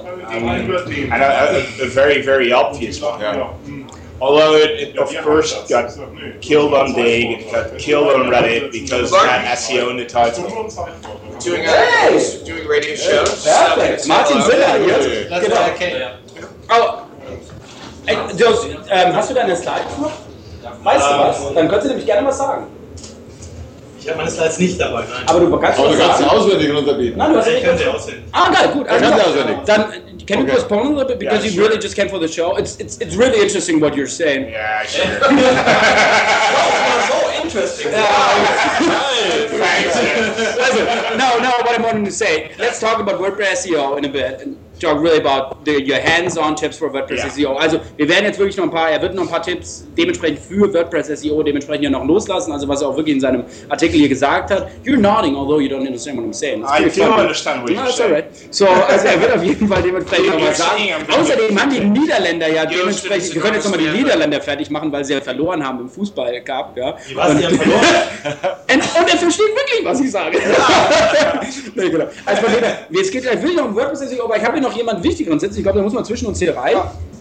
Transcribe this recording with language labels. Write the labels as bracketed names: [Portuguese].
[English] And a very, very obvious one. Yeah. Although it, of course, got killed on Dig, it got killed on Reddit because of that SEO in the title. Doing, doing radio shows. Hey, so Martin Zilla, yes. That's why I came. [German] Oh, hey, hast du deine Slides noch? Weißt du was? Dann könntest du nämlich gerne mal sagen. Ich habe meine Slides nicht dabei, nein. Aber du kannst sie auswendig runterbieten. Nein, du hast ich kann sie aussehen. Ah, geil, gut. Ich kann sie auswendig. [English] Dann, can you postpone a little bit because you really just came for the show? It's really interesting what you're saying. Yeah, sure. Well, so interesting. Listen, no, what I'm wanting to say, let's talk about WordPress SEO in a bit and talk really about your hands-on tips for WordPress SEO. [German] Also, wir werden jetzt wirklich noch ein paar, er wird noch ein paar Tipps dementsprechend für WordPress SEO dementsprechend ja noch loslassen, also was er auch wirklich in seinem Artikel hier gesagt hat. [English] You're nodding, although you don't understand what I'm saying. I do understand what you're saying. Right. [German] So, also er wird auf jeden Fall dementsprechend noch was sagen. Außerdem haben die Niederländer ja dementsprechend, wir können jetzt nochmal die Niederländer fertig machen, weil sie ja verloren haben im Fußball gehabt. Ja. Und er versteht wirklich, was ich sage. Nee, genau. Also, es geht gleich wirklich um WordPress SEO, aber ich habe noch jemand Wichtigeren sitzen. Ich glaube, da muss man zwischen uns hier rein. Ja.